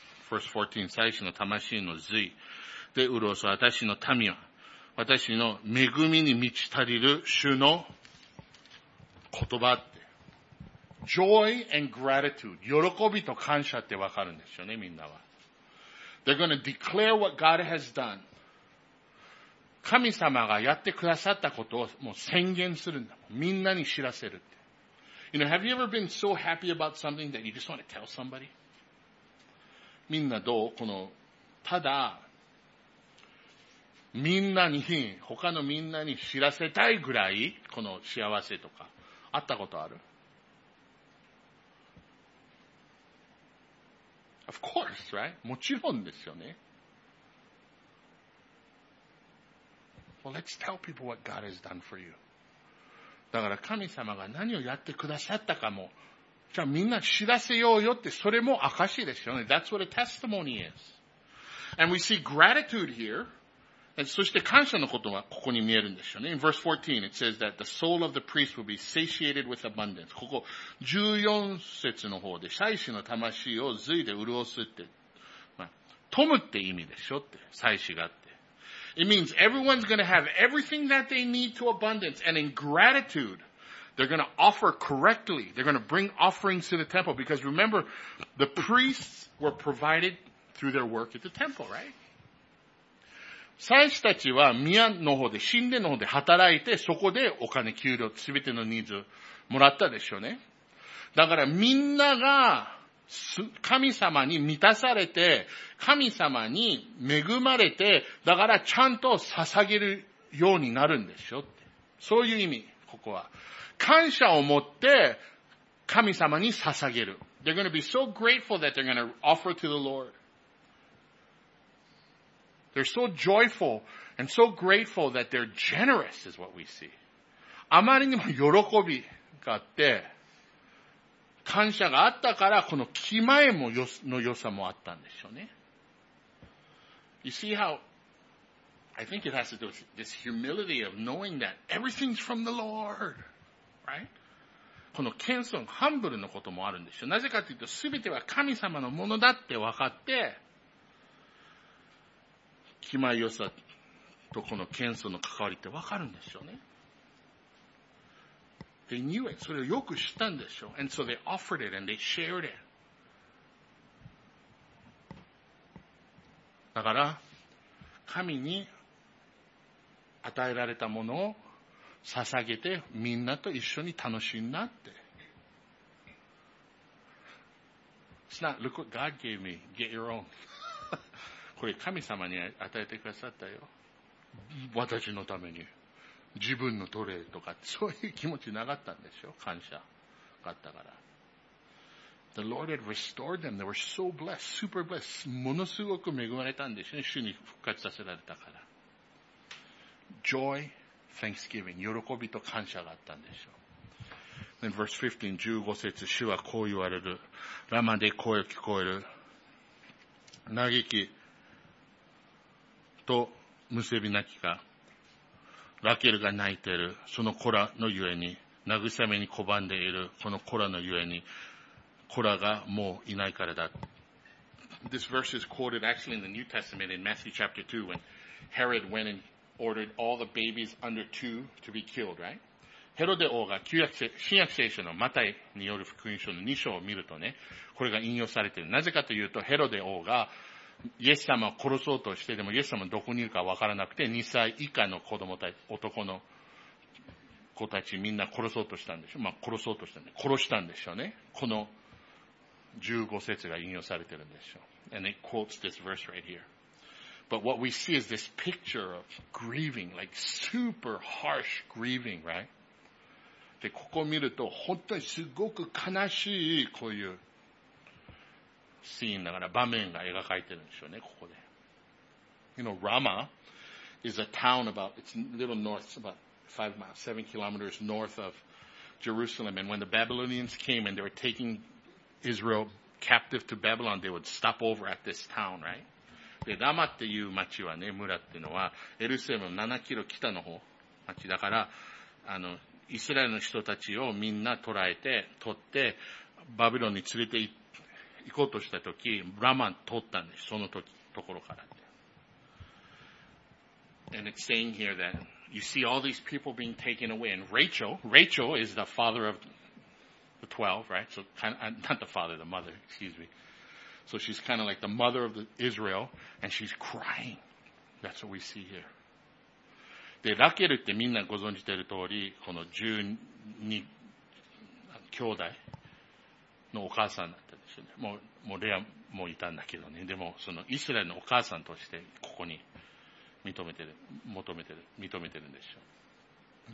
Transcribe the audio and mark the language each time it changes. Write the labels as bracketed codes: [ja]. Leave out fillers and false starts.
[en] Verse 14, [ja] 最初の魂の髄で潤す私の民は、私の恵みに満ち足りる主の言葉って。 [en] Joy and gratitude. [ja] 喜びと感謝ってわかるんですよね、みんなは。 [en] They're going to declare what God has done. [ja] 神様がやってくださったことをもう宣言するんだ。みんなに知らせるって。 [en] You know, have you ever been so happy about something that you just want to tell somebody? [ja] みんなどう? この、ただ、みんなに、他のみんなに知らせたいぐらい、この幸せとか、あったことある? [en] Of course, right? [ja] もちろんですよね。 [en] Let's tell people what God has done for you. [ja] だから神様が何をやってくださったかも、じゃあみんな知らせようよって、それも証ですよね。 [en] That's what a testimony is. And we see gratitude here. [ja] And そして感謝のことはここに見えるんですよね。 [en] In verse 14, it says that the soul of the priest will be satiated with abundance. [ja] ここ14節の方で、祭司の魂を髄で潤すって、まあ、富むって意味でしょって、祭司がって。 [en] It means everyone's going to have everything that they need to abundance. And in gratitude, they're going to offer correctly. They're going to bring offerings to the temple. Because remember, the priests were provided through their work at the temple, right? [ja] 祭司たちは宮の方で、神殿の方で働いて、そこでお金、給料、すべてのニーズもらったでしょうね。だからみんなが神様に満たされて、神様に恵まれて、だからちゃんと捧げるようになるんですよ。そういう意味、ここは。感謝を持って神様に捧げる。 [en] They're going to be so grateful that they're going to offer to the Lord. They're so joyful and so grateful that they're generous is what we see. [ja] あまりにも喜びがあって、感謝があったから、この気前もよの良さもあったんでしょうね。 [en] You see how, I think it has to do with this humility of knowing that everything's from the Lord. Right? [ja] この謙遜、ハンブルのこともあるんでしょう。なぜかというと、すべては神様のものだって分かって、気前良さとこの謙遜の関わりって分かるんでしょうね。 [en] They knew it. [ja] それをよく知ったんでしょう。 [en] And so they offered it and they shared it. [ja] だから、神に与えられたものを捧げてみんなと一緒に楽しんだって。 [en] It's not, look what God gave me. Get your own. [ja] これ神様に与えてくださったよ。私のために。自分の取れとか、そういう気持ちなかったんでしょ？感謝があったから。 [en] The Lord had restored them. They were so blessed, super blessed. [ja] ものすごく恵まれたんでしょ？主に復活させられたから。 [en] Joy, thanksgiving. [ja] 喜びと感謝があったんでしょ？ [en] Then verse 15, [ja] 15節、主はこう言われる。ラマで声を聞こえる。嘆きとむせび泣きか。ラケルが泣いている。そのコラのゆえに、慰めに拒んでいる。このコラのゆえに、コラがもういないからだ。 [en] This verse is quoted actually in the New Testament in Matthew chapter 2 when Herod went and ordered all the babies under 2 to be killed, right? [ja] ヘロデ王が旧約聖、新約聖書のマタイによる福音書の2章を見るとね、これが引用されている。なぜかというと、ヘロデ王がイエス様を殺そうとして、でもイエス様どこにいるかわからなくて、2歳以下の子供たち、男の子たちみんな殺そうとしたんでしょ。まあ殺そうとしたんで、殺したんでしょうね。この15節が引用されてるんでしょう。 [en] And it quotes this verse right here. But what we see is this picture of grieving, like super harsh grieving, right? [ja] で、ここを見ると本当にすごく悲しい、こういう。シーンだから場面が描かれてるんでしょうね、ここで。 [en] You know, Rama is a town about, it's a little north, about 5 miles, 7 kilometers north of Jerusalem. And when the Babylonians came and they were taking Israel captive to Babylon, they would stop over at this town, right? [ja] で、ラマっていう町はね、村っていうのは、エルサレムの7キロ北の方、町だから、イスラエルの人たちをみんな捕らえて、取って、バビロンに連れて行って、行こうとしたとき、ラマン通ったんです、そのとき、ところからって。 [en] And it's saying here that you see all these people being taken away, and Rachel is the father of the 12, right? So, not the father, the mother, excuse me. So she's kind of like the mother of the Israel, and she's crying. That's what we see here. [ja] で、ラケルってみんなご存じてる通り、この12兄弟のお母さんだったんですよね。もうレアもいたんだけどね。でも、そのイスラエルのお母さんとして、ここに認めてるんでしょう。